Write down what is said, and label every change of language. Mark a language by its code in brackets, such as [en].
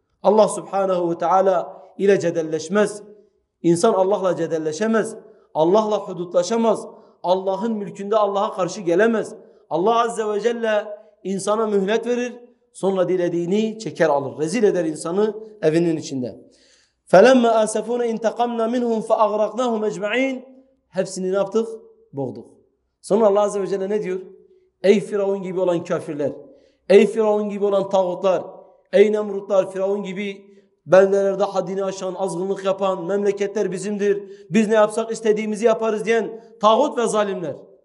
[tr] Allah subhanehu ve teala ile cedelleşmez. İnsan Allah'la cedelleşemez. Allah'la hudutlaşamaz. Allah'ın mülkünde Allah'a karşı gelemez. Allah azze ve celle insana mühlet verir. Sonra dilediğini çeker alır. Rezil eder insanı evinin içinde. [ar] فَلَمَّا أَسَفُونَ اِنْتَقَمْنَا مِنْهُمْ فَأَغْرَقْنَاهُمْ اَجْمَعِينَ [tr] Hepsini ne yaptık? Boğduk. Sonra Allah azze ve celle ne diyor? Ey Firavun gibi olan kafirler, ey Firavun gibi olan tağutlar, ey Nemrutlar, Firavun gibi beldelerde haddini aşan, azgınlık yapan memleketler bizimdir. Biz ne yapsak istediğimizi yaparız diyen tağut ve zalimler.